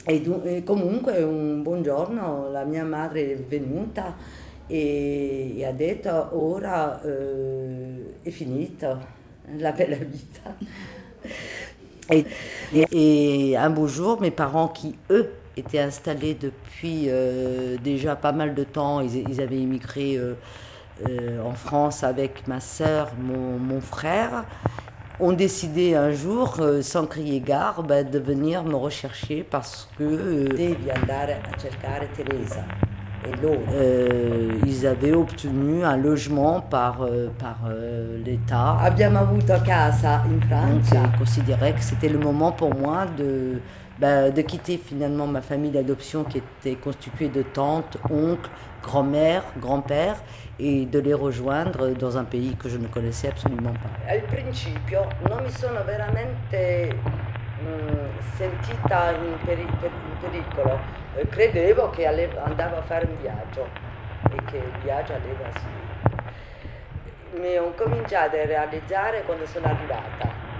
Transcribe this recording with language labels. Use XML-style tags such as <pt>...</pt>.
<it>E comunque un buon giorno la mia madre è venuta e ha detto ora è finita la bella vita.</it> <fr>E un beau jour, mes parents qui eux étaient installés depuis déjà pas mal de temps, ils avaient immigré en France avec ma sœur, mon frère, ont décidé un jour, sans crier gare, de venir me rechercher parce que...</fr> <it>Devi andare a cercare Teresa e loro.</it> <fr>Ils avaient obtenu un logement par l'État.</fr> <it>Abbiamo avuto casa in Francia.</it> <fr>Donc, ils considéraient que c'était le moment pour moi de quitter finalement ma famille d'adoption qui était constituée de tantes, oncles, grand-mères, grand-pères et de les rejoindre dans un pays que je ne connaissais absolument pas.</fr> <it>Al principio non mi sono veramente sentita in pericolo. Credevo che andavo a fare un viaggio e che il viaggio aveva sì. Mi ho cominciato a realizzare quando sono arrivata.</it>